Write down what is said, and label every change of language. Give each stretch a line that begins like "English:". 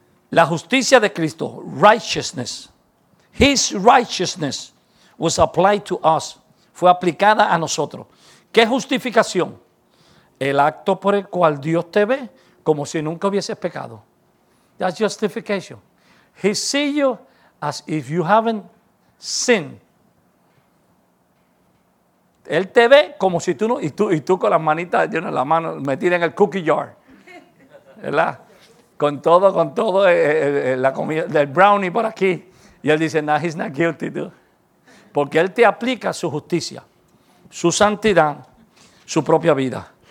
Spanish: La justicia de Cristo,
English: righteousness, His righteousness was applied to us,
Spanish: fue aplicada a nosotros. ¿Qué justificación? El acto por el cual Dios te ve como si nunca hubieses pecado.
English: That's justification. He sees you as if you haven't sin.
Spanish: Él te ve como si tú no, y tú con las manitas en la mano metida en el cookie jar, ¿verdad? Con todo la comida del brownie por aquí. Y él dice, no,
English: he's not guilty, dude.
Spanish: Porque Él te aplica su justicia, su santidad, su propia vida.